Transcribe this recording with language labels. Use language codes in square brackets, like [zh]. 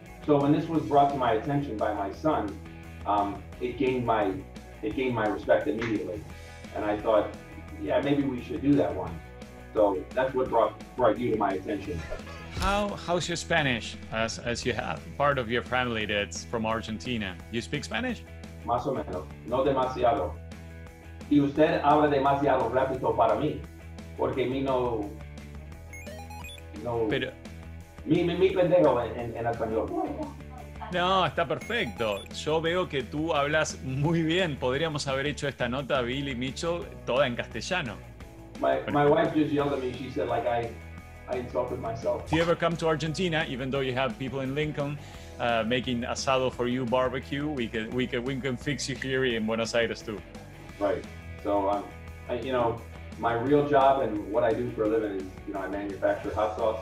[en] So when this was brought to my attention by my son, it gained my respect immediately. And I thought, yeah, maybe we should do that one. So that's what brought you to my attention. How's your Spanish, as you have part of your family that's from Argentina? You speak Spanish? [es] Más o menos, no demasiado. Y usted habla demasiado rápido para mí, porque mi no. Pero, mi pendejo en español. No, está perfecto. Yo veo que tú hablas muy bien. Podríamos haber hecho esta nota, Billy Mitchell, toda en castellano. [en] My wife just yelled at me. She said, like, I insulted myself. If you ever come to Argentina, even though you have people in Lincoln making asado for you barbecue, we can fix you here in Buenos Aires too. Right. So, my real job and what I do for a living is, I manufacture hot sauce.